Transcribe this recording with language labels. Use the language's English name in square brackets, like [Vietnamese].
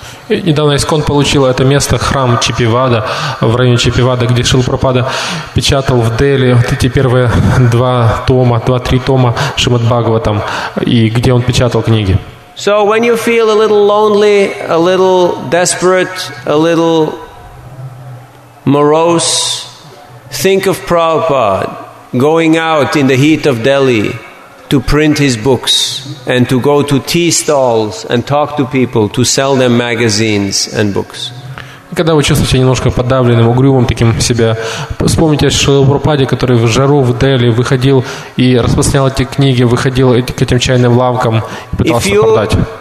[Russian] Недавно ИСКОН получил это место, храм Чипивада, в районе Чипивада, где Шрила Прабхупада печатал в Дели вот эти первые два-три тома Шримад Бхагаватам, и где он печатал книги. [English] So when you feel a little lonely, a little desperate, a little morose, think of Prabhupada going out in the heat of Delhi to print his books and to go to tea stalls and talk to people to sell them magazines and books. [Russian] Когда вы чувствуете себя немножко подавленным, угрюмым таким себя, вспомните о Шриле Прабхупаде, который в жару в Дели выходил и распространял эти книги, выходил к этим чайным лавкам и пытался продать.